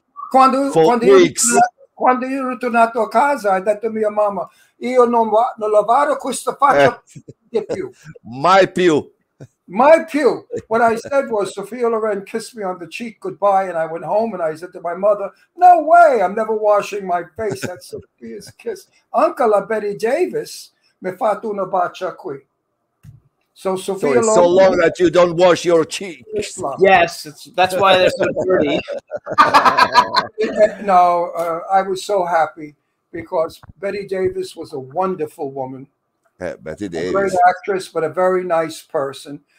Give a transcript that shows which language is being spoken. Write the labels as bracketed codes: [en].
[it] Quando io ritornato a casa, ha detto mia mamma, io non lavoro questa faccia di più. Mai più. [en] What I said was, Sofia Loren kissed me on the cheek goodbye, and I went home and I said to my mother, "No way, I'm never washing my face." That's Sofia's kiss. Uncle [it] Betty Davis mi ha fatto una bacia qui. [en] So Sofia, so, it's so long that you don't wash your cheeks. Yes, that's why they're so dirty. No, I was so happy because Betty Davis was a wonderful woman. Betty Davis, a great actress, but a very nice person.